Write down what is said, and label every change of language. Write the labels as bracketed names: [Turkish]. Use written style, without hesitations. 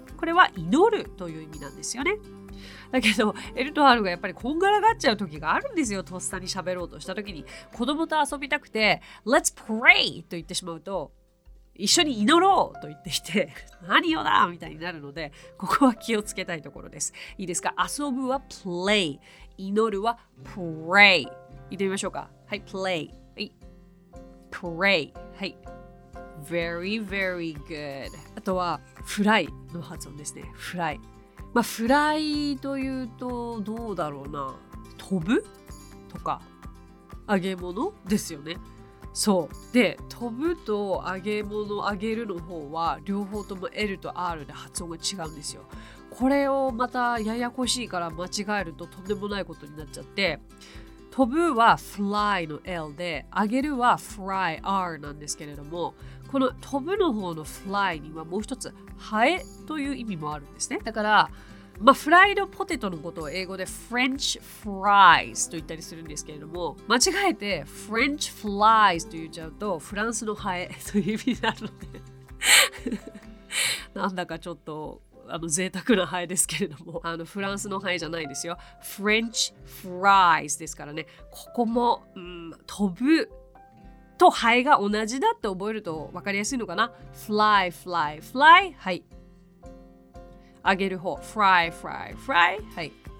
[Japanese] これは祈るという意味なんですよね。だけど L と R がやっぱりこんがらがっちゃう時があるんですよ。とっさに喋ろうとした時に子供と遊びたくて [English] Let's pray [Japanese] と言ってしまうと一緒に祈ろうと言ってきて何よだみたいになるので、ここは気をつけたいところです。いいですか、遊ぶは play、 祈るは pray。言ってみましょうか。はい、 play、 はい、 pray、 はい、 [English] very very good。 [Japanese] あとは fly の発音ですね。fly、 まあ fly というとどうだろうな、飛ぶとか揚げ物ですよね。そうで、飛ぶと揚げ物、揚げるの方は両方とも L と R で発音が違うんですよ。これをまたややこしいから間違えるととんでもないことになっちゃって、飛ぶは fly の L で、揚げるは fry R なんですけれども、この飛ぶの方の fly にはもう一つハエという意味もあるんですね。だからまあ、フライドポテトのことを英語で [English] French fries [Japanese] と言ったりするんですけれども、間違えて [English] French flies [Japanese] と言っちゃうとフランスのハエという意味になるのでなんだかちょっとあの贅沢なハエですけれども、あのフランスのハエじゃないですよ。 French fries ですからね。ここも、飛ぶとハエが同じだって覚えると分かりやすいのかな。 Fly fly fly、 はい、揚げる方 fry fry fry、 はい、